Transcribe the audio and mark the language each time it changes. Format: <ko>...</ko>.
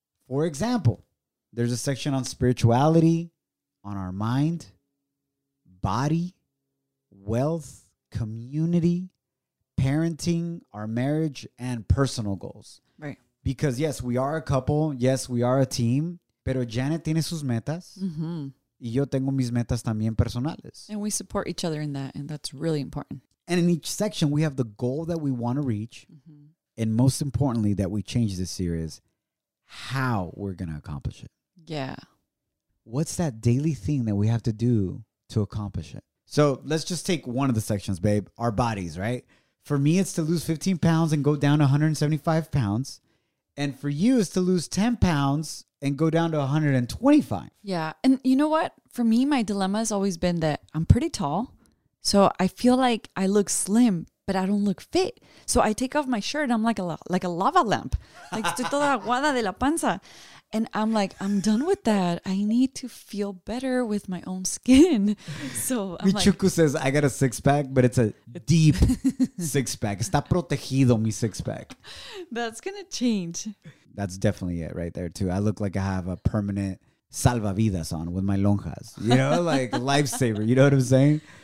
<en>For example, there's a section on spirituality, on our mind, body, wealth, community, parenting, our marriage, and personal goals. Right. Because yes, we are a couple. Yes, we are a team.</en> <es>Pero Janet tiene sus metas. Mm-hmm. Y yo tengo mis metas también personales.</es> <en>And we support each other in that. And that's really important. And in each section, we have the goal that we want to reach. Mm-hmm. And most importantly, that we change this year is how we're going to accomplish it. Yeah. What's that daily thing that we have to do to accomplish it? So let's just take one of the sections, babe. Our bodies, right? For me, it's to lose 15 pounds and go down to 175 pounds. And for you, it's to lose 10 pounds and go down to 125. Yeah. And you know what? For me, my dilemma has always been that I'm pretty tall. So I feel like I look slim, but I don't look fit. So I take off my shirt and I'm like a lava lamp.</en> <es>Like, estoy toda aguada de la panza.</es> <en>And I'm like, I'm done with that. I need to feel better with my own skin. So I'm Michuku like, says, I got a six pack, but it's a deep six pack.</en> <es>Está protegido mi six pack.</es> <en>That's going to change. That's definitely it right there too. I look like I have a permanent salvavidas on with my lonjas, you know, like lifesaver. You know what I'm saying?</en>